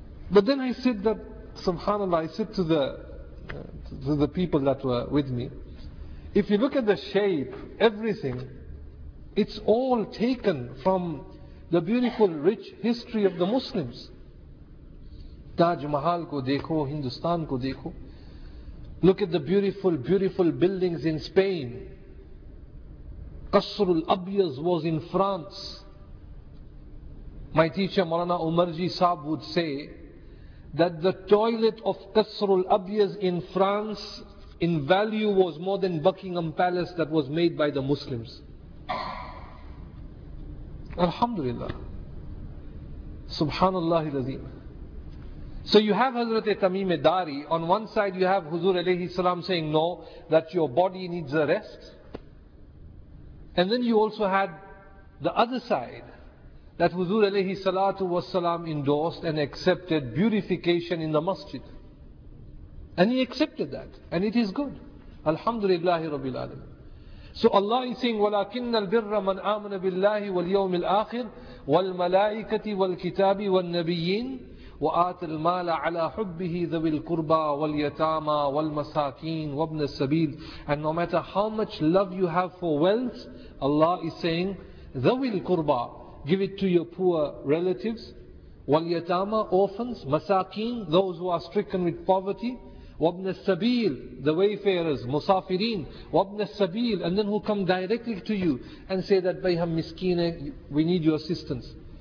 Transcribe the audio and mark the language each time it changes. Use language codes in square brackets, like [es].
[en] But then I said that, subhanAllah, I said to the people that were with me, if you look at the shape, everything, it's all taken from the beautiful, rich history of the Muslims. [ur] Taj Mahal کو دیکھو, ہندوستان کو دیکھو. [en] Look at the beautiful, beautiful buildings in Spain. قصر الابیض was in France. My teacher Maulana Umar ji Sahab would say that the toilet of قصر الابیض in France in value was more than Buckingham Palace that was made by the Muslims. Alhamdulillah. Subhanallah al-Azim. So you have Hazrat Tamim Dari, on one side you have Huzur alayhi salam saying no, that your body needs a rest. And then you also had the other side, that Huzur alayhi salatu was salam endorsed and accepted beautification in the masjid. And he accepted that, and it is good. Alhamdulillahi Rabbil Alam. So Allah is saying, [ar] وَلَكِنَّ الْبِرَّ مَنْ آمَنَ بِاللَّهِ وَالْيَوْمِ الْآخِرِ وَالْمَلَائِكَةِ وَالْكِتَابِ وَالنَّبِيِّينَ وَآتَ الْمَالَ عَلَىٰ حُبِّهِ ذَوِي الْقُرْبَى وَالْيَتَامَى وَالْمَسَاكِينَ وَابْنَ السَّبِيلِ. [en] And no matter how much love you have for wealth, Allah is saying, [ar] ذَوِي الْقُرْبَى, [en] give it to your poor relatives, وَالْيَتَامَى, orphans, مَسَاكِينَ, those who are stricken with poverty, [ar] وَابْنَ السَّبِيلِ, [en] the wayfarers, مُسَافِرِينَ, وَابْنَ السَّبِيلِ, and then who come directly to you and say that, بَيْ هَمْ مِسْكِينَ, we need your assistance.